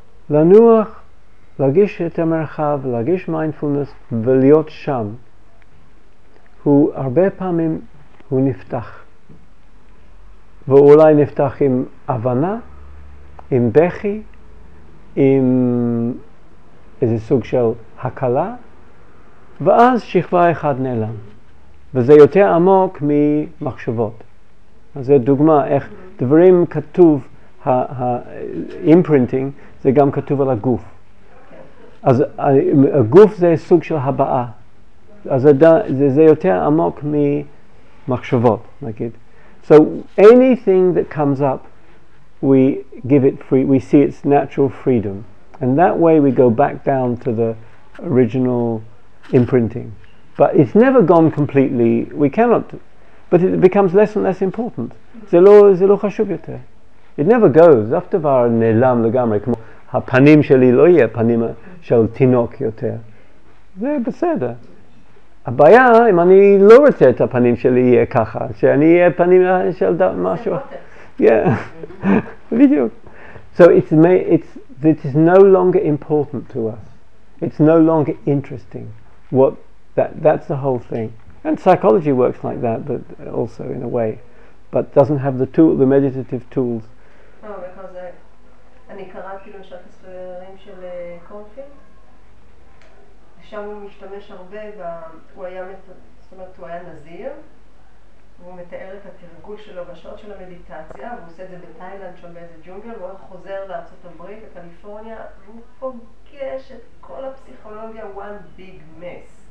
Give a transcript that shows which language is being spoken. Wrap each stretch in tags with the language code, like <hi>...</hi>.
<he>לנוח, להגיש את המרחב, להגיש מיינדפולנס ולהיות שם, הוא הרבה פעמים הוא נפתח, ואולי נפתח עם הבנה, עם בכי, עם איזה סוג של הקלה, ואז שכבה אחד נעלם, וזה יותר עמוק ממחשבות. אז זה דוגמה איך דברים כתוב, ה-imprinting, זה גם כתוב על הגוף. אז הגוף זה סוג של הבעה. אז זה יותר עמוק ממחשבות, נגיד.</he> <en>So anything that comes up, we give it free, we see its natural freedom. And that way we go back down to the original imprinting. But it's never gone completely. We cannot, but it becomes less and less important.</en> <he>זה לא חשוב יותר.</he> <en>It never goes.</en> <he>אף דבר נעלם לגמרי, כמו הפנים שלי לא יהיה פנים של תינוק יותר. זה בסדר. הבעיה, אם אני לא רוצה את הפנים שלי יהיה ככה, שאני אהיה פנים של משהו. Yeah, בדיוק.</he> <en>So it is no longer important to us. It's no longer interesting. That's the whole thing. And psychology works like that, but also in a way. But doesn't have the meditative tools.</en> <he>אני קראתי למשל הספרים של קורנפילד, שם הוא משתמש הרבה, הוא היה נזיר, והוא מתאר את התרגול שלו בשעות של המדיטציה, והוא עושה את זה בתאילנד שם באיזה ג'ונגל, והוא חוזר לארצות הברית, לקליפורניה, והוא פוגש את כל הפסיכולוגיה</he> <en>one big mess.</en>